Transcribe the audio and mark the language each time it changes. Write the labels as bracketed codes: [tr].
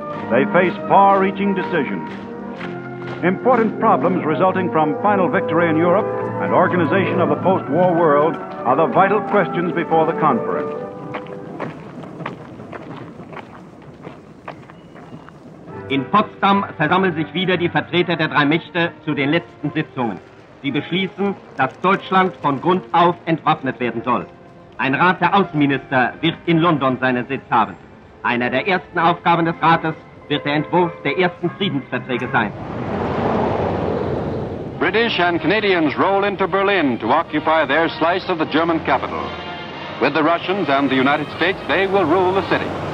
[en] They face far-reaching decisions. Important problems resulting from final victory in Europe and organization of the post-war world are the vital questions before the conference. [de] In Potsdam versammeln sich wieder die Vertreter der drei Mächte zu den letzten Sitzungen. Sie beschließen, dass Deutschland von Grund auf entwaffnet werden soll. Ein Rat der Außenminister wird in London seinen Sitz haben. Eine der ersten Aufgaben des Rates wird der Entwurf der ersten Friedensverträge sein. [en] British and Canadians roll into Berlin to occupy their slice of the German capital. With the Russians and the United States, they will rule the city.